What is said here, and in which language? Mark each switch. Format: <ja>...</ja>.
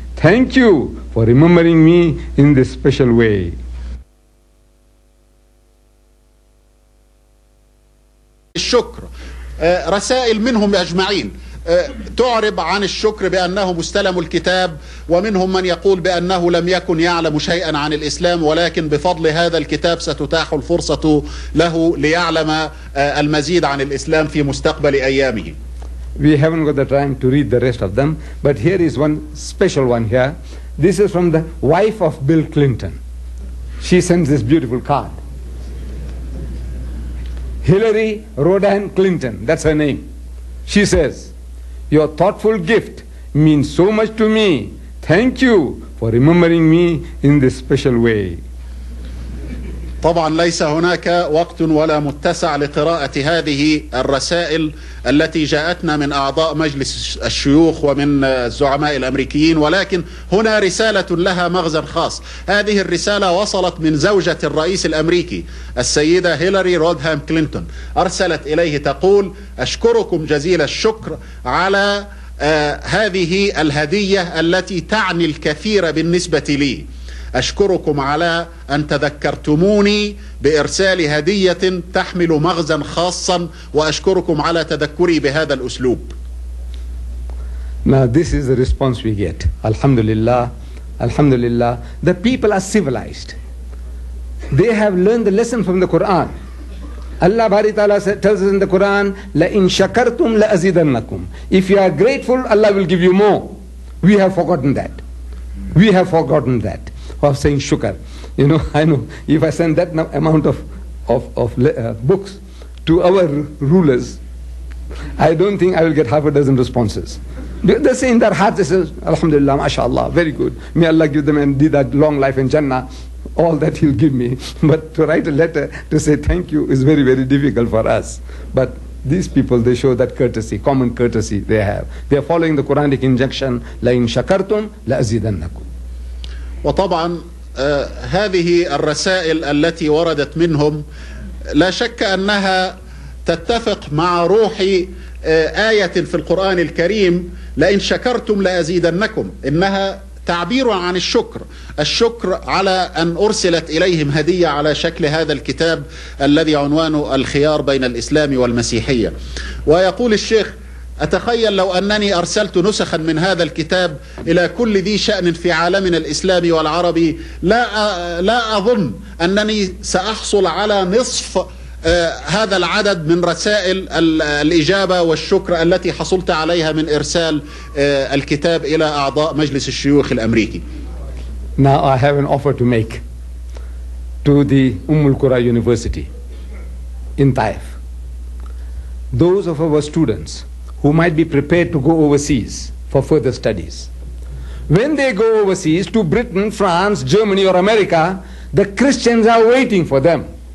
<en>Thank you for remembering me in this special way.</en> <ar>الشكر رسائل منهم أجمعين تعرب عن الشكر بأنهم استلموا الكتاب، ومنهم من يقول بأنه لم يكن يعلم شيئا عن الإسلام، ولكن بفضل هذا الكتاب ستتاح الفرصة له ليعلم المزيد عن الإسلام في مستقبل أيامه.</ar> <en>We haven't got the time to read the rest of them, but here is one special one here. This is from the wife of Bill Clinton. She sends this beautiful card. Hillary Rodham Clinton, that's her name. She says, your thoughtful gift means so much to me. Thank you for remembering me in this special way.</en> <ar>طبعا ليس هناك وقت ولا متسع لقراءة هذه الرسائل التي جاءتنا من أعضاء مجلس الشيوخ ومن الزعماء الأمريكيين، ولكن هنا رسالة لها مغزى خاص. هذه الرسالة وصلت من زوجة الرئيس الأمريكي السيدة هيلاري رودهام كلينتون، أرسلت إليه تقول: أشكركم جزيل الشكر على هذه الهدية التي تعني الكثير بالنسبة لي. أشكركم على أن تذكرتموني بإرسال هدية تحمل مغزى خاصا، وأشكركم على تذكري بهذا الأسلوب.</ar> <en>Now this is the response we get.</en> <ar>الحمد لله، الحمد لله.</ar> <en>The people are civilized. They have learned the lesson from the Quran. Allah Bari Ta'ala tells us in the Quran,</en> <ar>لَإِن شَكَرْتُمْ لَأَزِيدَنَّكُمْ.</ar> <en>If you are grateful, Allah will give you more. We have forgotten that. We have forgotten that. Of saying shukar, you know, I know if I send that amount of books to our rulers, I don't think I will get half a dozen responses. They say in their hearts, they say, Alhamdulillah, mashallah, very good. May Allah give them and that long life in Jannah, all that He'll give me. But to write a letter to say thank you is very, very difficult for us. But these people, they show that courtesy, common courtesy they have. They are following the Quranic injunction,</en> <ar>La in shakartum, la azidannakum. وطبعا هذه الرسائل التي وردت منهم لا شك أنها تتفق مع روح آية في القرآن الكريم، لئن شكرتم لأزيدنكم. إنها تعبير عن الشكر، الشكر على أن أرسلت إليهم هدية على شكل هذا الكتاب الذي عنوانه الخيار بين الإسلام والمسيحية. ويقول الشيخ: أتخيل لو أنني أرسلت نسخا من هذا الكتاب إلى كل ذي شأن في عالمنا الإسلامي والعربي، لا أظن أنني سأحصل على نصف هذا العدد من رسائل الإجابة والشكر التي حصلت عليها من إرسال الكتاب إلى أعضاء مجلس الشيوخ الأمريكي.</ar> <en>Now I have an offer to make to the Umm al-Qura University in Taif. Those of our students who might be prepared to go overseas for further studies. When they go overseas to Britain, France, Germany or America, the Christians are waiting for them.</en>